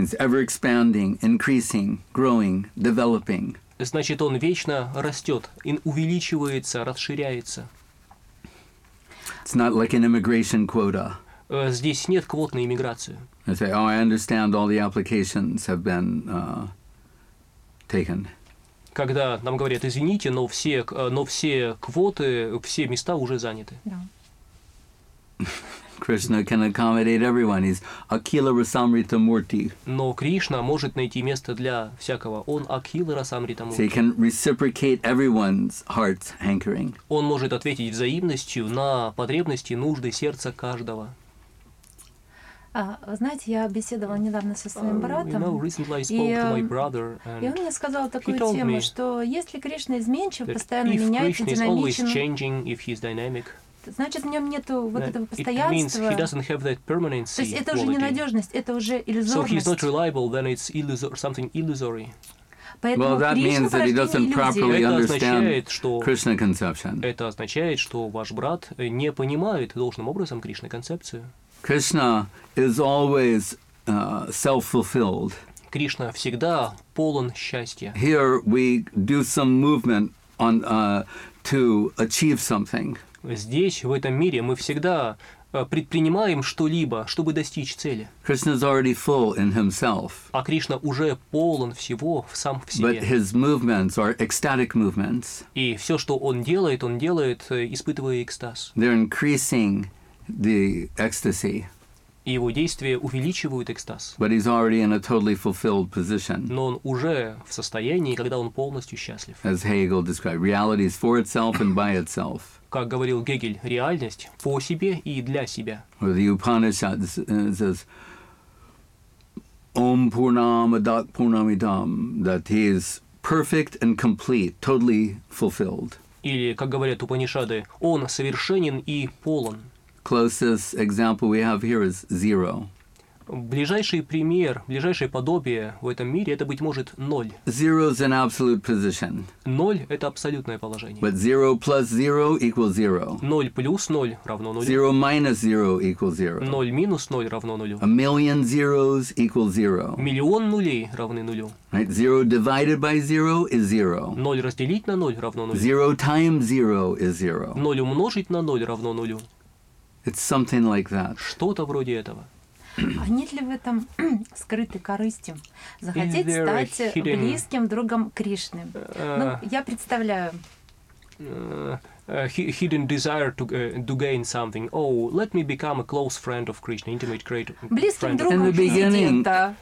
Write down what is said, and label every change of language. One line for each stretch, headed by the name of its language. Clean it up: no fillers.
English: It's ever expanding, increasing, growing, developing.
Russian: Значит, он вечно растет, увеличивается, расширяется.
English: It's not like an immigration quota.
Russian: Здесь нет квот на иммиграцию.
English: I say, oh, I understand all the applications have been taken.
Russian: Когда нам говорят, извините, но все квоты, все места уже заняты.
English: Krishna can accommodate everyone. He's Akila Rasamrita Murti.
Russian: Но Кришна может найти место для всякого. Он Акила Расамрита Мурти.
English: So he can reciprocate everyone's heart's hankering.
Russian: Он может ответить взаимностью на потребности, нужды сердца каждого. Знаете, я беседовала недавно со своим братом, и он мне сказал такую тему, что если Кришна изменчив, постоянно меняется, динамичен, значит, в нем нету вот этого постоянства. То есть это уже ненадежность, это уже иллюзорность.
English: So he's not reliable, then it's something illusory.
Russian: Поэтому
English: well, that means that he doesn't properly understand Krishna conception.
Russian: Это означает, что ваш брат не понимает должным образом Кришна концепцию.
English: Krishna is always self-fulfilled.
Russian: Кришна всегда полон счастья.
English: Here we do some movement on to achieve something.
Russian: Здесь, в этом мире, мы всегда предпринимаем что-либо, чтобы достичь цели.
English: Krishna's already full in himself.
Russian: А Кришна уже полон всего сам в себе.
English: But his movements are ecstatic movements.
Russian: И все, что он делает, испытывая экстаз.
English: They're increasing the ecstasy.
Russian: И его действия увеличивают экстаз.
English: But he's already in a totally fulfilled position.
Russian: Но он уже в состоянии, когда он полностью счастлив.
English: As Hegel described, reality is for itself and by itself.
Russian: Как говорил Гегель, реальность по себе и для себя.
English: The Upanishad says,
Sanskrit: Om Purnam Adak Purnam Idam,
English: that he is perfect and complete, totally fulfilled.
Russian: Или, как говорят Упанишады, он совершенен и полон.
English: Closest example we have here is zero.
Russian: Ближайший пример, ближайшее подобие в этом мире, это, быть может, ноль.
English: Zero is an absolute position.
Russian: Ноль – это абсолютное положение.
English: But zero plus zero equals zero.
Russian: Ноль плюс ноль равно нулю.
English: Zero minus zero equals zero.
Russian: Ноль минус ноль равно нулю.
English: A million zeros equals zero.
Russian: Миллион нулей равны нулю.
English: Right? Zero divided by zero is zero.
Russian: Ноль разделить на ноль равно нулю.
English: Zero times zero is zero.
Russian: Ноль умножить на ноль равно нулю.
English: It's something like that.
Russian: Что-то вроде этого. А нет ли в этом скрытой корысти? Захотеть стать близким другом Кришны? Ну, я представляю.
English: hidden desire to gain something. Oh, let me become a close friend of Krishna, intimate creator.
Russian: Близким другом президента.